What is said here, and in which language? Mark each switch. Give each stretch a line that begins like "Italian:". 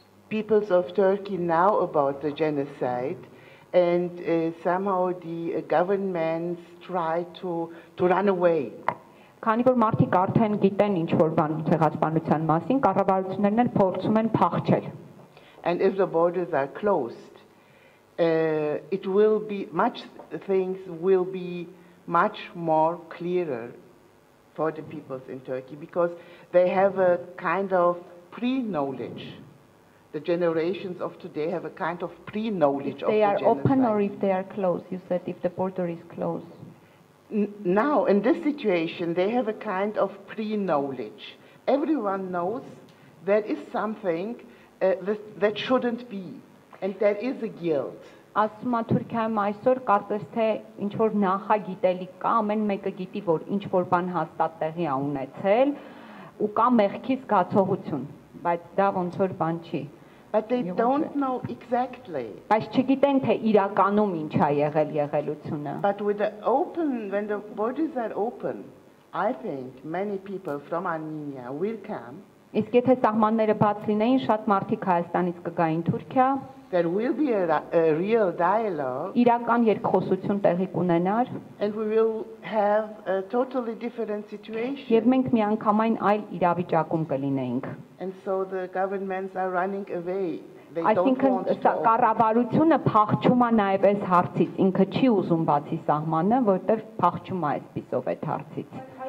English: Peoples of Turkey know about the genocide, and somehow the governments try to run away.
Armenian: Քանի որ մարդիկ արդեն գիտեն ինչ որ բան ցեղասպանության մասին, կառավարություններն էլ փորձում են փախչել.
English: And if the borders are closed, it will be much things will be much more clearer for the peoples in Turkey because they have a kind of pre-knowledge. The generations of today have a kind of pre-knowledge of the genocide. They are open or if they are closed? You said if the border is closed. Now, in this situation, they have a kind of pre-knowledge. Everyone knows there is something that shouldn't be, and there is a guilt.
Armenian: Ասում եմ Թուրքիայում այսօր կարծես թե ինչ որ նախագիտելի կա, ամեն մեկը գիտի, որ ինչ որ բան հաստատ տեղի ա ունեցել, ու կա մեղքի զգացողություն.
English: But
Armenian: դա ոնց որ բան չի,
English: but they don't know exactly,
Armenian: բայց չգիտեն թե իրականում ինչ ա եղել եղելությունը.
English: But with the open, when the borders are open, I think many people from Armenia will come.
Armenian: Իսկ եթե սահմանները բաց լինեին, շատ մարդիկ Հայաստանից կգային Թուրքիա.
English: There will be a real dialogue.
Armenian: Իրական երկխոսություն տեղի կունենար.
English: And we will have a totally different situation.
Armenian: Եվ մենք միանգամայն այլ իրավիճակում կլինեինք.
English: And so the governments are running away. They don't want to. I think
Armenian: կառավարությունը փախչում է նաև այս հարցից, ինքը չի ուզում բացի սահմանը, որտեղ փախչում է այդպիսով այդ հարցից.